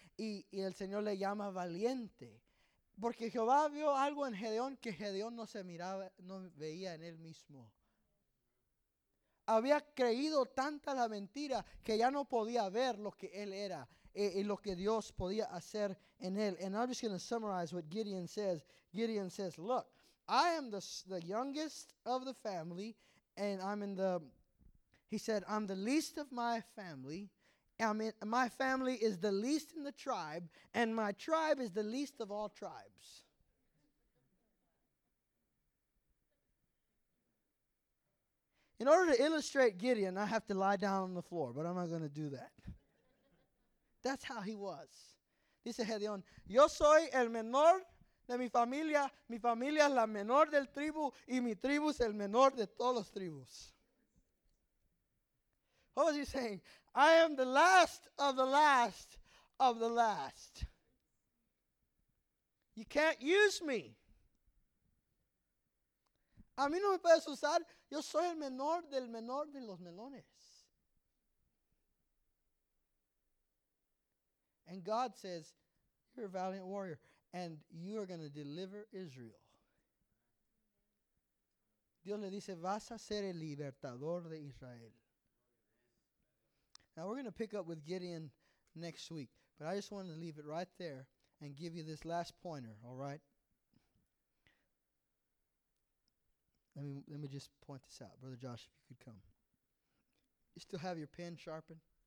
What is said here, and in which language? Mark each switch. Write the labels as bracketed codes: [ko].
[es] Y el Señor le llama valiente. Porque Jehová vio algo en Gedeón que Gedeón no se miraba, no veía en él mismo. Había creído tanta la mentira que ya no podía ver lo que él era. Y lo que Dios podía hacer en él. [en] And I'm just going to summarize what Gideon says. Gideon says, look, I am the youngest of the family, and I'm in the He said, I'm the least of my family. I mean, my family is the least in the tribe, and my tribe is the least of all tribes. In order to illustrate Gideon, I have to lie down on the floor, but I'm not going to do that. That's how he was. [es] Dice Gedeón, yo soy el menor de mi familia. Mi familia es la menor del tribu, y mi tribu es el menor de todos los tribus. [en] What was he saying? I am the last of the last of the last. You can't use me. [es] A mí no me puedes usar. Yo soy el menor del menor de los menores. [en] And God says, you're a valiant warrior, and you are going to deliver Israel. [es] Dios le dice, vas a ser el libertador de Israel. [en] Now, we're going to pick up with Gideon next week, but I just wanted to leave it right there and give you this last pointer, all right? Let me just point this out. Brother Josh, if you could come. You still have your pen sharpened?